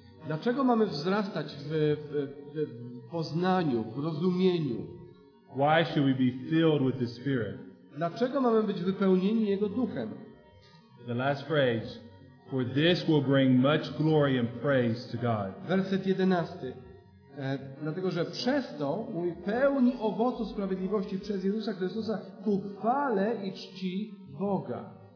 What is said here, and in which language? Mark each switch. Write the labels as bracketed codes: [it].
[pl] Dlaczego mamy wzrastać w poznaniu, w rozumieniu? [en] Why should we be filled with the Spirit? [pl] Dlaczego mamy być wypełnieni Jego Duchem? [en] The last phrase, for this will bring much glory and praise to God. [pl] Werset 11. Dlatego, że przez to mój pełni owocu sprawiedliwości przez Jezusa Chrystusa ku chwale i czci Boga.